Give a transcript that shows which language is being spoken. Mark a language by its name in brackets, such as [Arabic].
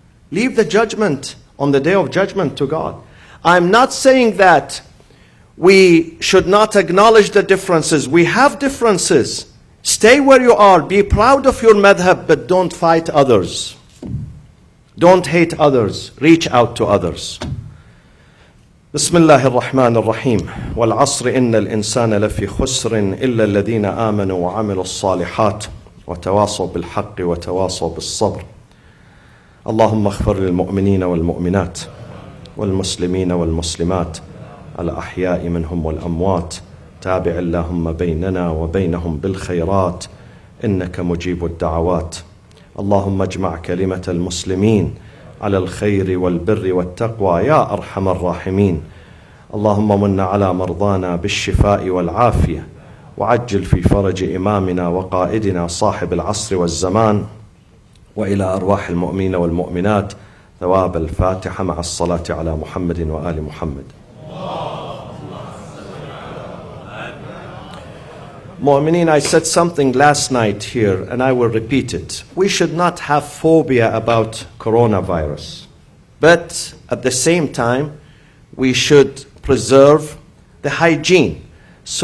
[English] Leave the judgment on the day of judgment to God. I'm not saying that we should not acknowledge the differences. We have differences. Stay where you are. Be proud of your madhab, but don't fight others. Don't hate others. Reach out to others. [Arabic] بسم الله الرحمن الرحيم والعصر إن الإنسان لفي خسر إلا الذين آمنوا وعملوا الصالحات وتواصوا بالحق وتواصوا بالصبر اللهم اغفر للمؤمنين والمؤمنات والمسلمين والمسلمات الأحياء منهم والأموات تابع اللهم بيننا وبينهم بالخيرات إنك مجيب الدعوات اللهم اجمع كلمة المسلمين على الخير والبر والتقوى يا أرحم الراحمين اللهم من على مرضانا بالشفاء والعافية وعجل في فرج إمامنا وقائدنا صاحب العصر والزمان وإلى أرواح المؤمنين والمؤمنات ثواب الفاتحة مع الصلاة على محمد وآل محمد [English] Mu'mineen, I said something last night here, and I will repeat it. We should not have phobia about coronavirus. But at the same time, we should preserve the hygiene. So